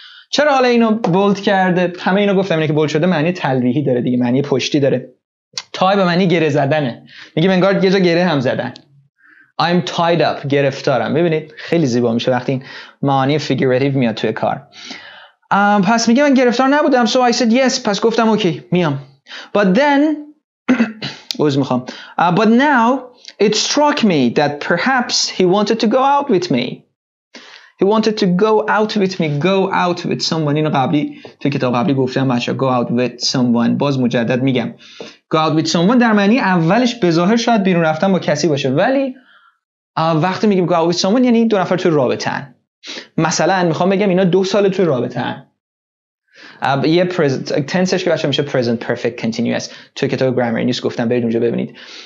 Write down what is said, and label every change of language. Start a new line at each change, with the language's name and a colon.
Persian: چرا حالا اینو بولد کرده؟ همه اینو گفتم، اینه که بولد شده معنی تلویحی داره دیگه، معنی پشتی داره. tie به معنی گره زدنه، میگیم انگار یه جا گره هم زدن.
English: I'm tied up،
Persian: گرفتارم. ببینید خیلی زیبا میشه وقتی این معانی فیگوراتیو میاد توی کار. پس میگه من گرفتار نبودم.
English: so I said yes،
Persian: پس گفتم اوکی میام.
English: but then
Persian: اوز میخوام
English: but now it struck me that perhaps he wanted to go out with me. he wanted to go out with me، go out with someone.
Persian: اینو قبلی توی کتاب قبلی گفتم بچه، go out with someone. باز مجدد میگم go out with someone در معنی اولش به ظاهر شاید بیرون رفتن با کسی باشه، ولی وقتی میگیم go out with someone یعنی دو نفر توی رابطن. مثلا میخوام بگم اینا دو سال توی رابطن. یه تنسش که بچه میشه present perfect continuous، توی کتاب grammar news گفتم برید اونجا ببینید.